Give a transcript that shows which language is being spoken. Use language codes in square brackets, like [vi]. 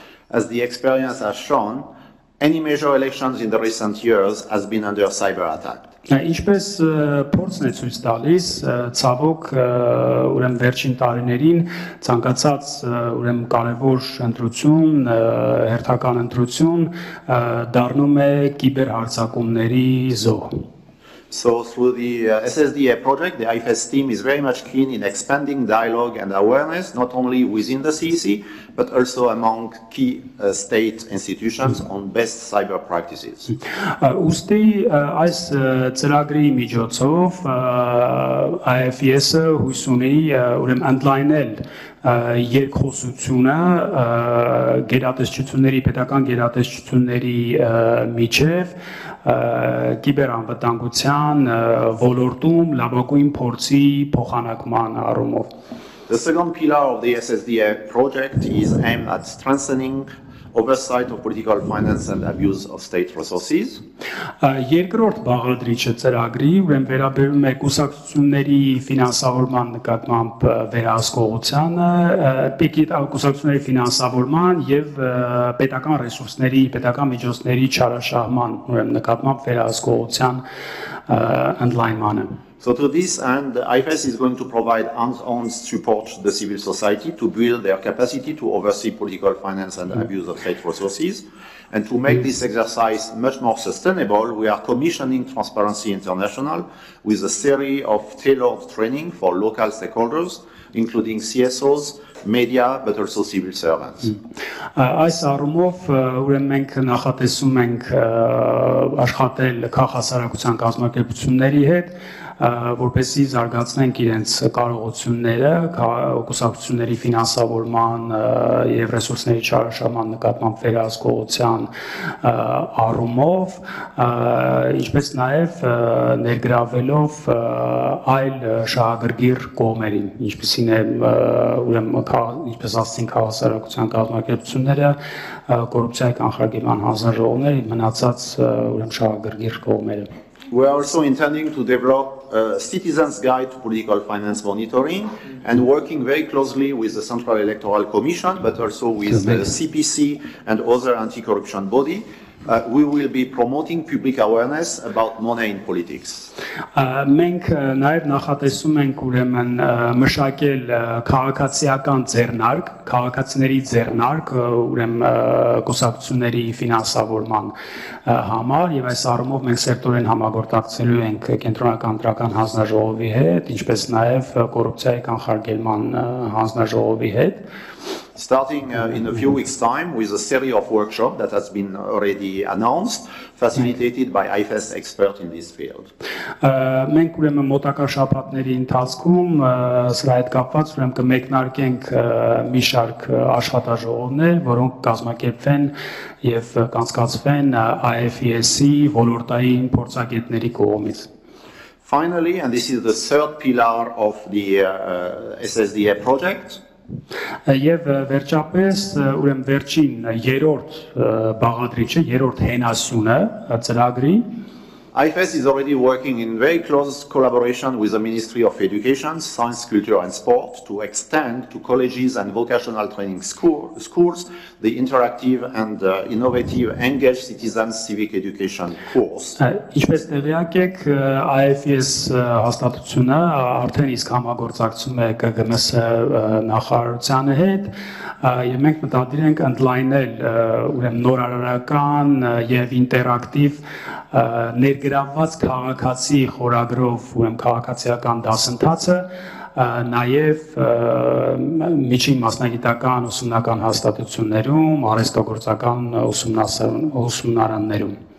[en] As the experience has shown, any major elections in the recent years has been under cyber attack. [hy] Ինչպես փորձն է ցույց տալիս, ցավոք ուրեմն վերջին տարիներին ցանկացած ուրեմն կարևոր ընտրություն, հերթական ընտրություն դառնում է կիբեր հարձակումների զոհ. [en] So through the SSDA project, the IFES team is very much keen in expanding dialogue and awareness, not only within the CEC, but also among key state institutions on best cyber practices. [hy] Ուստի այս ծրագրի միջոցով IFES-ը հույս ունի ընդլայնել երկխոսությունը գերատեսչությունների պետական գերատեսչությունների միջև կիբերանվտանգության ոլորտում լավագույն փորձի փոխանակման առումով. [en] The second pillar of the SSDA project is aimed at strengthening oversight of political finance and abuse of state resources. [hy] Երկրորդ բաղադրիչը ծրագրի ուրեմն վերաբերում է կուսակցությունների ֆինանսավորման նկատմամբ վերահսկողությանը, պիկիտ ակուսակցությունների ֆինանսավորման եւ պետական ռեսուրսների, պետական միջոցների չարաշահման ուրեմն նկատմամբ վերահսկողության ընդլայնմանը. [en] So to this end, IFES is going to provide hands-on support to the civil society to build their capacity to oversee political finance and abuse of state resources. And to make this exercise much more sustainable, we are commissioning Transparency International with a series of tailored training for local stakeholders, including CSOs, media, but also civil servants. [hy] Այս առումով ուրեմն մենք նախատեսում ենք աշխատել քաղաքասարակության կազմակերպությունների հետ, որպեսզի զարգացնենք իրենց կարողությունները կուսակցությունների ֆինանսավորման եւ ռեսուրսների չարաշահման նկատմամբ վերահսկողության առումով, ինչպես նաեւ ներգրավելով այլ շահագրգիռ կողմերին, ինչպիսին է ուրեմն ինչպես ասցին քաղաքասարակության կազմակերպությունները, կոռուպցիայի կանխարգելման հանձնաժողովները, մնացած ուրեմն շահագրգիռ կողմերը. [en] We are also intending to develop a citizen's guide to political finance monitoring and working very closely with the Central Electoral Commission, but also with the CPC and other anti-corruption body. We will be promoting public awareness about money in politics. [hy] Մենք նաև նախատեսում ենք ուրեմն մշակել քաղաքացիական ձեռնարկ, քաղաքացիների ձեռնարկ ուրեմն կուսակցությունների ֆինանսավորման համար, եւ այս առումով մենք սեկտորեն համագործակցելու ենք կենտրոնական դրական հանձնաժողովի հետ, ինչպես նաև կոռուպցիայի կանխարգելման հանձնաժողովի հետ. [en] Starting in a few weeks' time with a series of workshops that has been already announced, facilitated by IFES expert in this field. [hy] Մենք ուրեմն մոտակա շաբաթների ընթացքում սրահի հետ կապված ուրեմն կմեկնարկենք մի շարք աշխատաժողովներ, որոնք կազմակերպվեն եւ կանցկացվեն IFES-ի ոլորտային փորձագետների կողմից. [en] Finally, and this is the third pillar of the SSDA project. [hy] Եվ վերջապես ուրեմն վերջին երրորդ բաղադրիչը, երրորդ հենասյունը ծրագրի. [en] IFES is already working in very close collaboration with the Ministry of Education, Science, Culture and Sport to extend to colleges and vocational training schools the interactive and innovative engaged citizens civic education course. [hy] Ինչպես տեղյակ եք, IFES հաստատությունը արդեն իսկ համագործակցում է ԿԳՄՍ նախարարությանը հետ, եւ մենք մտադիր ենք ընդլայնել ուրեմն նորարարական եւ ինտերակտիվ ներգրավված քաղաքացի խորագրով ուրեմն քաղաքացիական դասընթացը նաև միջին մասնագիտական ուսումնական հաստատություններում, արհեստագործական ուսումնարաններում.